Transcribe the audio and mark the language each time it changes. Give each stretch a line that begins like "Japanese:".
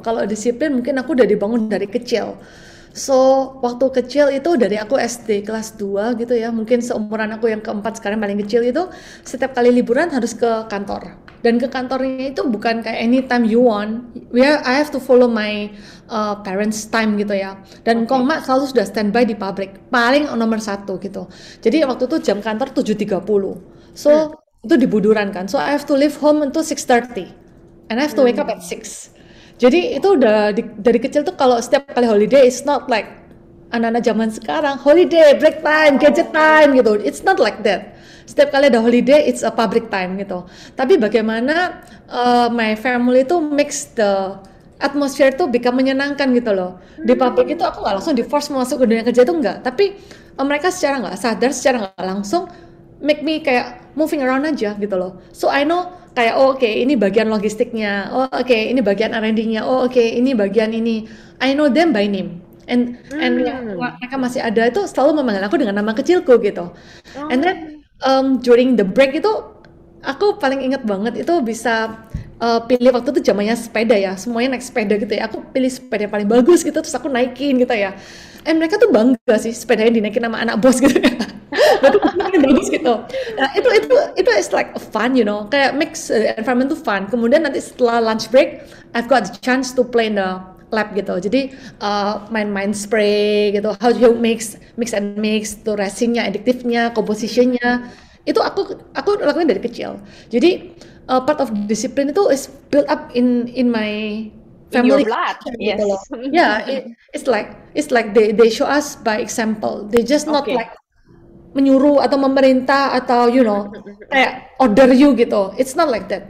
Indonesian: Kalau disiplin mungkin aku udah dibangun dari kecil. So, waktu kecil itu dari aku SD kelas 2 gitu ya, mungkin seumuran aku yang keempat sekarang paling kecil itu, setiap kali liburan harus ke kantor. Dan ke kantornya itu bukan kayak
English: anytime you want, I have to follow my parents' time gitu ya. Dan
Indonesian: kok mak selalu sudah standby di pabrik, paling nomor satu gitu. Jadi waktu itu jam kantor 7.30. So, itu di Buduran kan.
English: So, I have to leave home until 6.30. And I have to wake up at 6.
Indonesian: Jadi itu udah dari kecil tuh kalau setiap kali
English: holiday it's not like
Indonesian: anak-anak zaman sekarang
English: holiday, break time, gadget time gitu. It's not like that.
Indonesian: Setiap kali ada holiday
English: it's a public time
Indonesian: gitu. Tapi bagaimana
English: my family
Indonesian: itu
English: mix the atmosphere
Indonesian: tuh bisa menyenangkan gitu loh. Di pabrik itu aku nggak langsung di force masuk ke dunia kerja itu enggak, tapi mereka secara nggak sadar, secara nggak langsung
English: make me
Indonesian: kayak
English: moving around
Indonesian: aja gitu loh.
English: So I know
Indonesian: kayak oh, oke okay, ini bagian logistiknya, oh oke okay, ini bagian R&D-nya, oh oke okay, ini bagian ini.
English: I know them by name.
Indonesian: And mereka masih ada itu selalu memanggil aku dengan nama kecilku gitu.
English: And then during the break
Indonesian: itu aku paling ingat banget itu bisa pilih waktu itu zamannya sepeda ya, semuanya naik sepeda gitu ya. Aku pilih sepeda yang paling bagus gitu terus aku naikin gitu ya. And mereka tuh bangga sih sepeda yang dinaikin sama anak bos gitu ya. Berarti ini bagus gitu.
English: Nah, itu is like fun, you know.
Indonesian: Kayak mix environment tuh fun. Kemudian nanti setelah lunch break,
English: I've got the chance to play in the lab
Indonesian: gitu. Jadi main-main spray gitu,
English: how you mix, mix and mix,
Indonesian: tuh resinnya, additive-nya, composition-nya. Itu aku lakuin dari kecil.
English: Jadi part of discipline itu is built up in my family in your blood, gitu yes. Loh. Yeah, it's like they show us by example. They just not okay. like
Indonesian: menyuruh atau memerintah atau
English: you know
Indonesian: kayak
English: order you gitu. It's not like that.